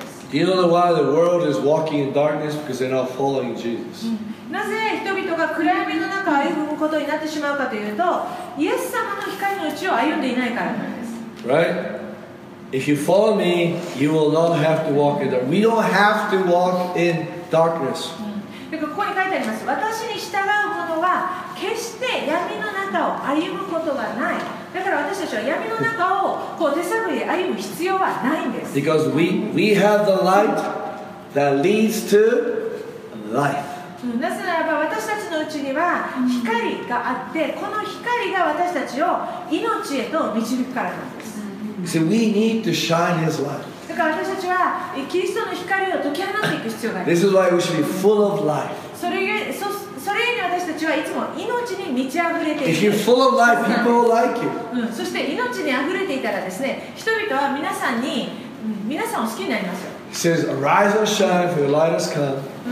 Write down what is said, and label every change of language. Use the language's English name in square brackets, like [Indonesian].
[English] Do you know why the world is walking in darkness? Because they're not following Jesus. [Japanese] なぜ人々が暗闇の中を歩むことになってしまうかというと、イエス様の光のうちを歩んでいないからなんです。 [English] Right? If you follow me, you will not have to walk in darkness. We don't have to walk in darkness. [Japanese] だからここに書いてあります。私に従う者は決して闇の中を歩むことがない。だから私たちは闇の中をこう手探りで歩む必要はないんです。 [English] Because we have the light that leads to life. [Japanese] なぜならば私たちのうちには光があって、この光が私たちを命へと導くからなんです。 [English] So we need to shine His light. [Japanese] だから私たちはキリストの光を解き放っていく必要があります。 [English] This is why we should be full of life. [Japanese] それゆえに私たちはいつも命に満ち溢れている。 [English] If you're full of life, people will like you. [Japanese] そして命に溢れていたらですね、人々は皆さんを好きになりますよ。 [English] He says, Arise and shine, for your light has come.